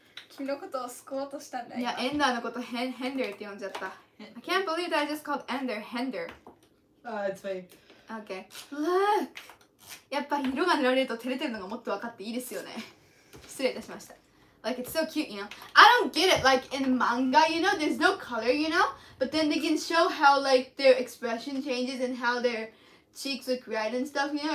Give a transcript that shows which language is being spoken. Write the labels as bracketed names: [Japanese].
[Japanese] 君のことを救おうとしたんだよ。いや、エンダーのことヘン、ヘンデルって呼んじゃった。 [English] I can't believe that I just called Ender Hender. It's fine. Okay. Look! [Japanese] やっぱり色が塗られると照れてるのがもっと分かっていいですよね。失礼いたしました。 [English] Like, it's so cute, you know? I don't get it. Like, in manga, you know, there's no color, you know? But then they can show how, like, their expression changes and how their cheeks look red and stuff, you know?